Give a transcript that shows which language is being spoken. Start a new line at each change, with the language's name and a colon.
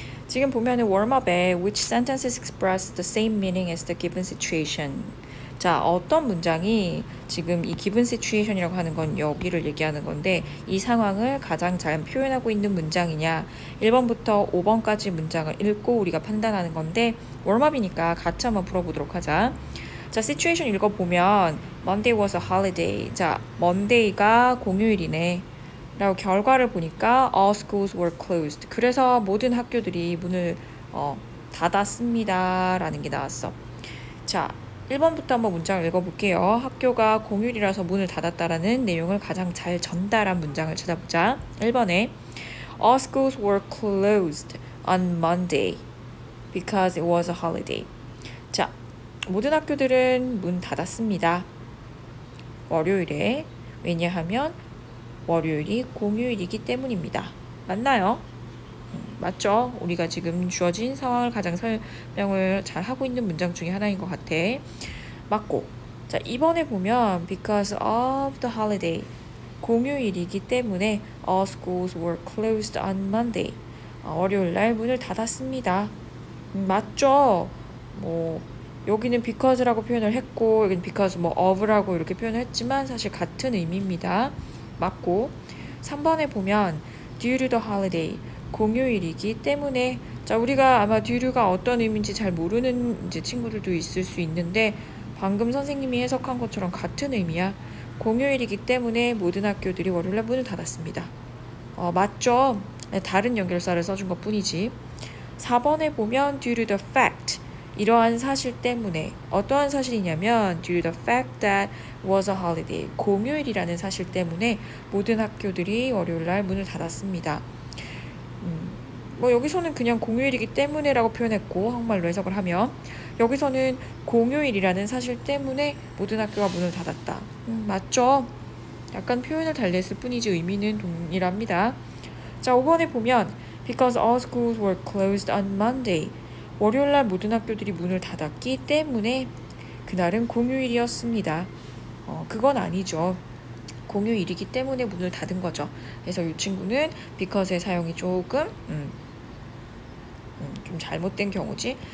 Korean: 지금 보면은 warm-up에
English: which sentences express the same meaning as the given situation?
Korean: 자, 어떤 문장이 지금 이 given situation이라고 하는 건 여기를 얘기하는 건데 이 상황을 가장 잘 표현하고 있는 문장이냐? 1번부터 5번까지 문장을 읽고 우리가 판단하는 건데 warm-up이니까 같이 한번 풀어보도록 하자. 자, situation 읽어보면
English: Monday was a holiday.
Korean: 자, Monday가 공휴일이네. 라고 결과를 보니까
English: All schools were closed.
Korean: 그래서 모든 학교들이 문을 닫았습니다. 라는 게 나왔어. 자, 1번부터 한번 문장을 읽어볼게요. 학교가 공휴일이라서 문을 닫았다라는 내용을 가장 잘 전달한 문장을 찾아보자. 1번에
English: All schools were closed on Monday because it was a holiday.
Korean: 자, 모든 학교들은 문 닫았습니다. 월요일에. 왜냐하면 월요일이 공휴일이기 때문입니다. 맞나요? 맞죠? 우리가 지금 주어진 상황을 가장 설명을 잘 하고 있는 문장 중에 하나인 것 같아. 맞고. 자, 이번에 보면
English: because of the holiday.
Korean: 공휴일이기 때문에
English: all schools were closed on Monday.
Korean: 월요일 날 문을 닫았습니다. 맞죠? 뭐 여기는 because라고 표현을 했고 여기는 because 뭐 of라고 이렇게 표현을 했지만 사실 같은 의미입니다. 맞고. 3번에 보면
English: due to the holiday
Korean: 공휴일이기 때문에 자 우리가 아마 due가 어떤 의미인지 잘 모르는 이제 친구들도 있을 수 있는데 방금 선생님이 해석한 것처럼 같은 의미야. 공휴일이기 때문에 모든 학교들이 월요일에 문을 닫았습니다. 맞죠? 다른 연결사를 써준 것뿐이지. 4번에 보면
English: due to the fact
Korean: 이러한 사실 때문에 어떠한 사실이냐면
English: due to the fact that was a holiday
Korean: 공휴일이라는 사실 때문에 모든 학교들이 월요일 날 문을 닫았습니다. 뭐 여기서는 그냥 공휴일이기 때문에라고 표현했고 한국말로 해석을 하면 여기서는 공휴일이라는 사실 때문에 모든 학교가 문을 닫았다. 맞죠? 약간 표현을 달리했을 뿐이지 의미는 동일합니다. 자, 5번에 보면
English: because all schools were closed on Monday.
Korean: 월요일날 모든 학교들이 문을 닫았기 때문에 그날은 공휴일이었습니다. 그건 아니죠. 공휴일이기 때문에 문을 닫은 거죠. 그래서 이 친구는 because의 사용이 조금 좀 잘못된 경우지.